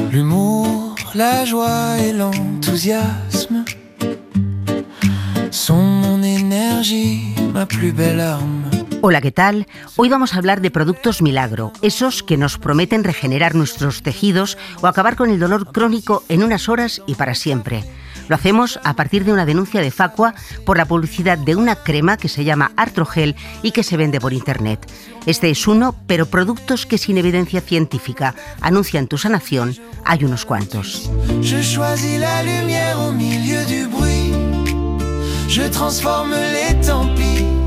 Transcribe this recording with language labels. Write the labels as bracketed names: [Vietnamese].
[French] L'humour, la joie et l'enthousiasme sont mon énergie, ma plus belle arme. [Spanish] Hola, ¿qué tal? Hoy vamos a hablar de productos milagro, esos que nos prometen regenerar nuestros tejidos o acabar con el dolor crónico en unas horas y para siempre. Lo hacemos a partir de una denuncia de Facua por la publicidad de una crema que se llama Artrogel y que se vende por internet. Este es uno, pero productos que sin evidencia científica anuncian tu sanación, hay unos cuantos. [French] Je choisis la lumière au milieu du bruit. Je transforme les tempêtes.